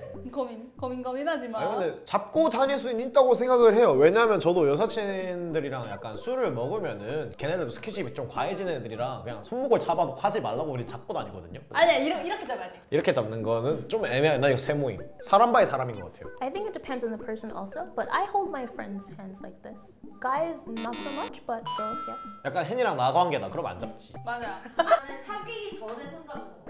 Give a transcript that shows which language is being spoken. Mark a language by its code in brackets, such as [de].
[ko] 고민하지 마. 근데 잡고 다닐 수 있다고 생각을 해요. 왜냐하면 저도 여사친들이랑 약간 술을 먹으면은 걔네들도 스킨십이 좀 과해지는 애들이랑 그냥 손목을 잡아도 하지 말라고 우리 잡고 다니거든요. 아니야, 이렇게 잡아야 돼. 이렇게 잡는 거는 좀 애매해. 나 이거 세모임. 사람 바이 사람인 것 같아요. [en] I think it depends on the person also, but I hold my friends' hands like this. Guys, not so much, but girls, yes. [ko] 약간 헨이랑 나 관계다. 그럼 안 잡지. 맞아. 나는 사귀기 전에 손잡고.